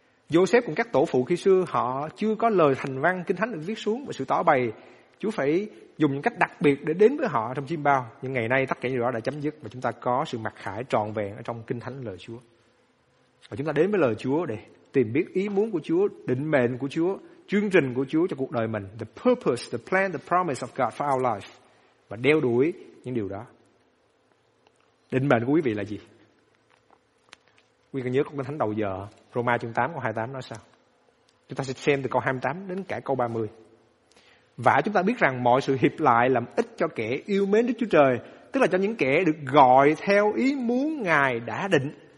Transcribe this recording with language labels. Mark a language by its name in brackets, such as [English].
[Vietnamese] Joseph cùng các tổ phụ khi xưa họ chưa có lời thành văn Kinh Thánh được viết xuống và sự tỏ bày Chúa phải dùng những cách đặc biệt để đến với họ trong chiêm bao. Nhưng ngày nay tất cả những điều đó đã chấm dứt và chúng ta có sự mặc khải trọn vẹn ở trong Kinh Thánh lời Chúa. Và chúng ta đến với lời Chúa để tìm biết ý muốn của Chúa, định mệnh của Chúa, chương trình của Chúa cho cuộc đời mình. [English] The purpose, the plan, the promise of God for our life. [Vietnamese] Và đeo đuổi những điều đó. Định mệnh của quý vị là gì? Quý vị nhớ câu Kinh Thánh đầu giờ, Roma chương 8 câu 28 nói sao? Chúng ta sẽ xem từ câu 28 đến cả câu 30. Vả chúng ta biết rằng mọi sự hiệp lại làm ích cho kẻ yêu mến Đức Chúa Trời, tức là cho những kẻ được gọi theo ý muốn Ngài đã định.